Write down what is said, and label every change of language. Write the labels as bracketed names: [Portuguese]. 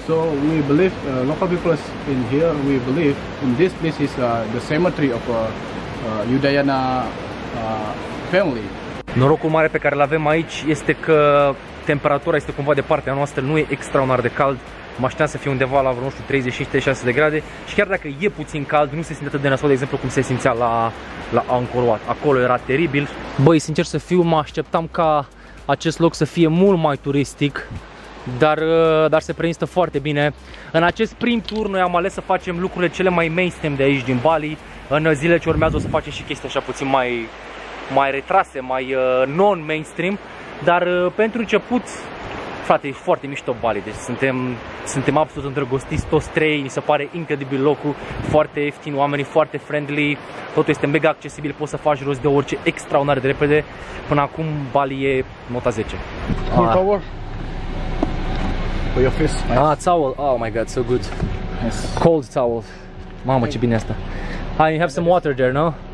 [English] So we believe, local people in here, we believe in this place is the cemetery of Udayana family. [Romanian] Norocul mare pe care îl avem aici este că temperatura este cumva de partea noastră, nu e extraordinar de cald. Mă așteptam să fie undeva la vreo, nu știu, 36 de grade și chiar dacă e puțin cald, nu se simte atât de nasol, de exemplu, cum se simțea la Angkor Wat. Acolo era teribil. Băi, sincer să fiu, mă așteptam ca acest loc să fie mult mai turistic, dar se prezintă foarte bine. În acest prim tur noi am ales să facem lucrurile cele mai mainstream de aici, din Bali. În zilele ce urmează o să facem și chestii așa puțin mai retrase, mai non-mainstream. Dar pentru început, frate, e foarte mișto Bali, deci suntem absolut îndrăgostiți toți trei, mi se pare incredibil locul, foarte ieftin, oamenii foarte friendly, totul este mega accesibil, poți să faci rost de orice, extraordinar de repede. Până acum Bali e nota 10. [English] Full power for your face. Ah, towel, oh my god, so good. Yes. Cold towel. [Romanian] Mamă, ce bine asta. [English] Hi, you have some water there, no?